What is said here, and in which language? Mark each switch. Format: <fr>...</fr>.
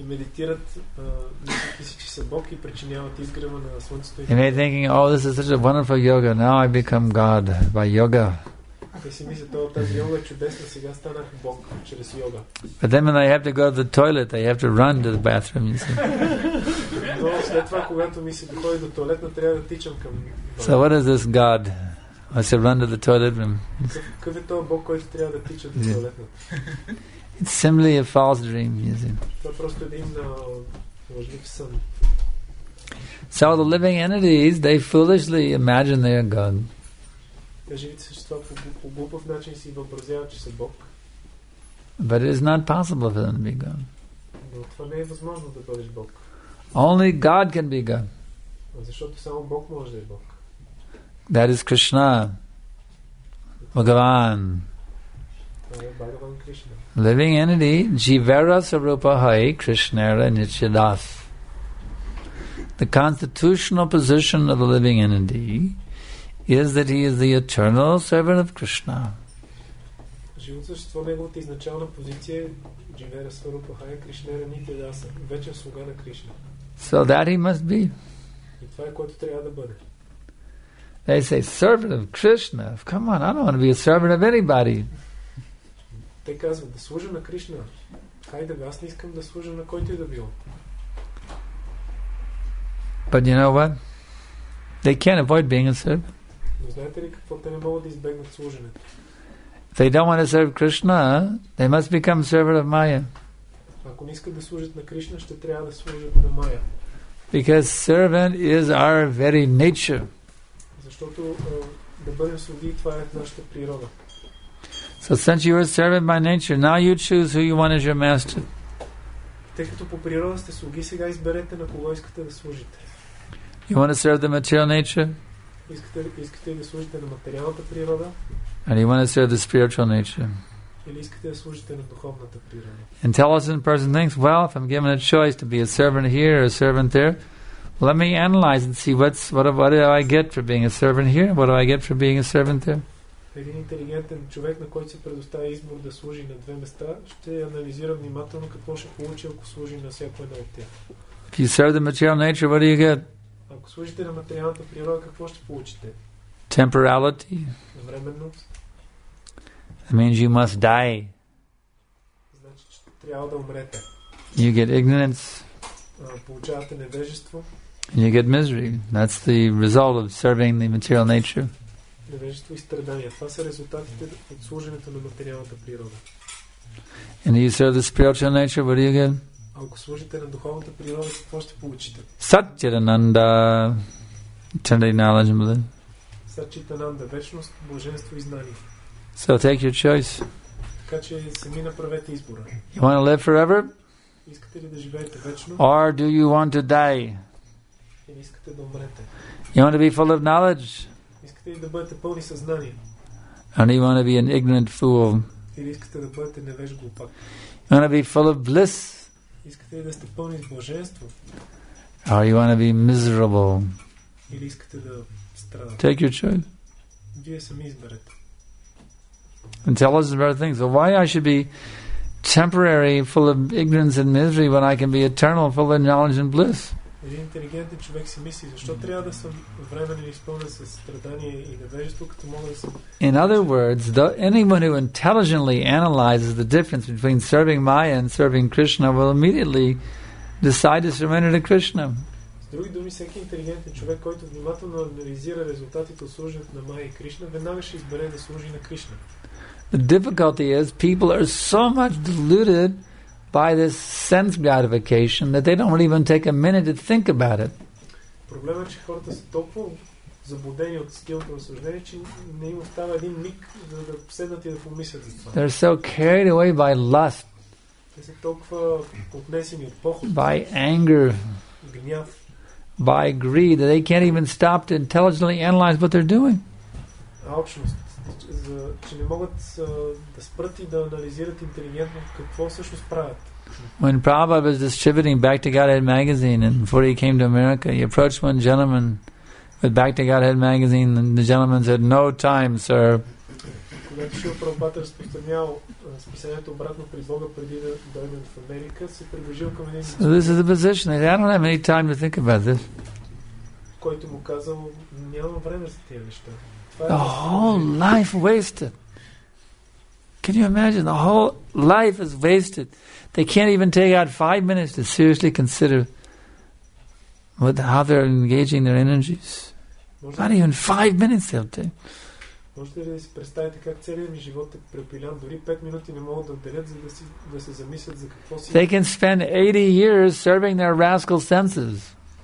<bg>И медитират, мислят, че са Бог и причиняват изгрева на слънцето.</bg> <en>And they're thinking, oh, this is such a wonderful yoga. Now I become God by yoga.</en> <bg>Те си мислят, о, тази йога е чудесна, сега станах Бог чрез йога.</bg> <en>But then when they have to go to the toilet, they have to run to the bathroom, you see.</en> <bg>Но след това, когато ми се доходи до туалетна, трябва да тичам към туалет.</bg> <en>So what is this God? I said, run to the toilet room.</en> <bg>Какъв е този Бог, който трябва да тича до туалетната?</bg> <en>It's simply a false dream, you see.</en> <bg>Това просто един лъжлив сън.</bg> <en>So the living entities, they foolishly imagine they are God.</en> <bg>Живите същества по глупав начин си въобразяват, че са Бог.</bg> <en>But it is not possible for them to be God.</en> <bg>Но това не е възможно да бъдеш Бог.</bg> <en>Only God can be God.</en> <bg>Защото само Бог може да е Бог.</bg> <en>That is Krishna. Bhagavan. Bhagavan Krishna. Living entity,</en> <bn>Jivara Sarupa Hai Krishnara Nityadas.</bn> <en>The constitutional position of the living entity is that he is the eternal servant of Krishna.</en> <bg>Живото същество, неговата изначална позиция,</bg> <bn>Jivara Swarupa Hai Krishnara Nityadasa,</bn> <bg>вечен слуга на Кришна.</bg> <en>So that he must be.</en> <bg>И това е което трябва да бъде.</bg> <en>They say, servant of Krishna. Come on, I don't want to be a servant of anybody.</en> <bg>Те казват, да служа на Кришна. Хайде, аз не искам да служа на който и да било.</bg> <en>But you know what? They can't avoid being a servant.</en> <bg>Но знаете ли какво? Те не могат да избегнат служенето.</bg> <en>If they don't want to serve Krishna, they must become servant of Maya.</en> <bg>Ако не искат да служат на Кришна, ще трябва да служат на Maya.</bg> <en>Because servant is our very nature.</en> <bg>Защото да бъдем слуги, това е нашата природа.</bg> <en>So since you are servant by nature, now you choose who you want as your master.</en> <bg>Тъй като по природа сте слуги, сега изберете на кого искате да служите.</bg> <en>You want to serve the material nature?</en> <bg>Искате да служите на материалната природа?</bg> <en>And you want to serve the spiritual nature?</en> <bg>Или искате да служите на духовната природа?</bg> <en>Intelligent person thinks, well, if I'm given a choice to be a servant here or a servant there, let me analyze and see what do I get for being a servant here? What do I get for being a servant there?</en> <bg>Един интелигентен човек, на който се предоставя избор да служи на две места, ще анализира внимателно какво ще получи, ако служи на всяко едно от тях.</bg> <en>If you serve the material nature, what do you get?</en> <bg>Ако служите на материалната природа, какво ще получите?</bg> <en>Temporality.</en> <bg>Временност.</bg> <en>That means you must die.</en> <bg>Значи, че трябва да умрете.</bg> <en>You get ignorance.</en> <bg>Получавате невежество.</bg> <en>And you get misery. That's the result of serving the material nature.</en> <bg>Невежество и страдания. Това са резултатите от служенето на материалната природа.</bg> <en>And you serve the spiritual nature, what do you get?</en> <bg>Ако служите на духовната природа, какво ще получите?</bg> <en>Сатчитананда. Eternity knowledge and bliss.</en> <bg>Сатчитананда. Вечност, блаженство и знание.</bg> <en>So take your choice.</en> <bg>Така че сами направете избора.</bg> <en>You want to live forever?</en> <bg>Искате ли да живеете вечно?</bg> <en>Or do you want to die?</en> <bg>Или искате да умрете?</bg> <en>You want to be full of knowledge?</en> <bg>Искате ли да бъдете пълни със знание?</bg> <en>And you want to be an ignorant fool?</en> <bg>Или искате да бъдете невеж глупак?</bg> <en>You want to be full of bliss?</en> <bg>Искате ли да сте пълни с блаженство?</bg> <en>Or you want to be miserable?</en> <bg>Или искате да страдате?</bg> <en>Take your choice.</en> <bg>Вие сами изберете.</bg> <en>And tell us about things. So why I should be temporary, full of ignorance and misery, when I can be eternal, full of knowledge and bliss?</en> <bg>Един интелигентен човек си мисли, защо трябва да съм временен и изпълнен със страдания и невежество, като мога да съм...</bg> <en>In other words, anyone who intelligently analyzes the difference between serving Maya and serving Krishna will immediately decide to surrender to Krishna.</en> <bg>С други думи, всеки интелигентен човек, който внимателно анализира резултатите от служенето на Майя и Кришна, веднага ще избере да служи на Кришна.</bg> <en>The difficulty is people are so much deluded by this sense gratification that they don't even take a minute to think about it.</en> <bg>Проблемът е, че хората са толкова заблудени от стилното разсъждение, че не им остава един миг да седнат и да помислят за това.</bg> <en>They're so carried away by lust.</en> <bg>Те са толкова отнесени от похот.</bg> <en>By anger.</en> <bg>Гняв.</bg> <en>By greed, that they can't even stop to intelligently analyze what they're doing.</en> <bg>Алчност. Че не могат да спрат и да анализират интелигентно какво всъщност правят.</bg> <en>When Prabhupada was distributing Back to Godhead magazine and before he came to America, he approached one gentleman with Back to Godhead magazine and the gentleman said, "No time, sir."</en> <bg>Когато Шрила Прабхупада разпространял списанието обратно при Бога преди да дойде в Америка, се приближил към един...</bg> <en>So this is the position. I don't have any time to think about this.</en> <bg>Който му казал, няма време за тези неща.</bg> <en>The whole life wasted. Can you imagine? The whole life is wasted. They can't even take out 5 minutes to seriously consider how they're engaging their energies. Not even 5 minutes they'll take.</en> <bg>Можете ли да си представите как целият ми живот е препилян? Дори 5 минути не могат да отделят, за да се замислят за какво си...</bg> <en>They can spend 80 years serving their rascal senses.</en>